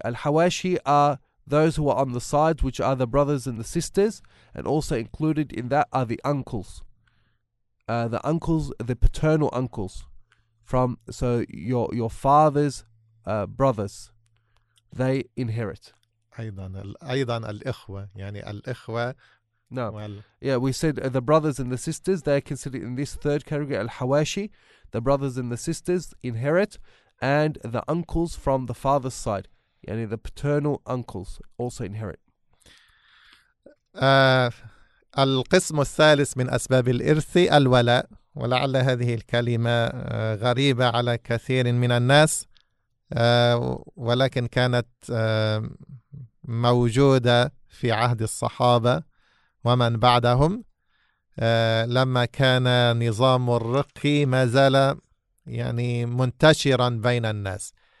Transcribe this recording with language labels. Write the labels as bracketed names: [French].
[English] Al-hawashi are those who are on the sides, which are the brothers and the sisters, and also included in that are the uncles. The uncles, the paternal uncles, from so your father's brothers, they inherit. [Arabic] أيضاً الإخوة يعني الإخوة. [English] No. Yeah, we said the brothers and the sisters, they are considered in this third category, al-hawashi. The brothers and the sisters inherit, and the uncles from the father's side, yani the paternal uncles, also inherit. [Arabic] القسم الثالث من أسباب الإرث الولاء. ولعل هذه الكلمة غريبة على كثير من الناس, ولكن كانت موجودة في عهد الصحابة ومن بعدهم, لما كان نظام الرقي ما زال يعني منتشرا بين الناس.